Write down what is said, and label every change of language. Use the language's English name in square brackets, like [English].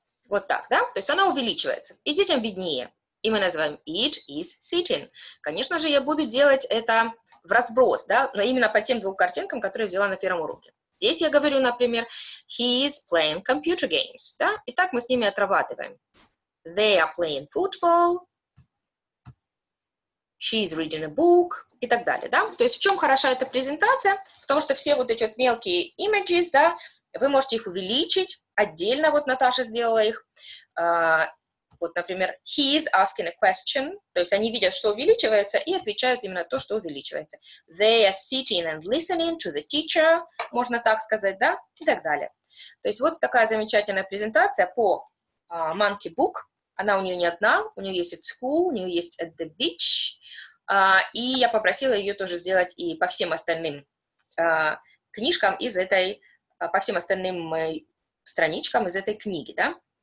[Russian] Вот так, да? То есть она увеличивается. И детям виднее. И мы называем [English] it is sitting. [Russian] Конечно же, я буду делать это в разброс, да? Но именно по тем двум картинкам, которые я взяла на первом уроке. Здесь я говорю, например, [English] he is playing computer games, [Russian] да? И так мы с ними отрабатываем. [English] They are playing football. She is reading a book. [Russian] И так далее, да? То есть в чем хороша эта презентация? В том, что все вот эти вот мелкие images, да, вы можете их увеличить. Отдельно вот Наташа сделала их, вот, например, [English] he is asking a question, [Russian] то есть они видят, что увеличивается, и отвечают именно то, что увеличивается. [English] They are sitting and listening to the teacher, [Russian] можно так сказать, да, и так далее. То есть вот такая замечательная презентация по Monkey Book, она у нее не одна, у нее есть [English] at school, [Russian] у нее есть [English] at the beach, [Russian] и я попросила ее тоже сделать и по всем остальным книжкам из этой, по всем остальным страничкам из этой книги, да?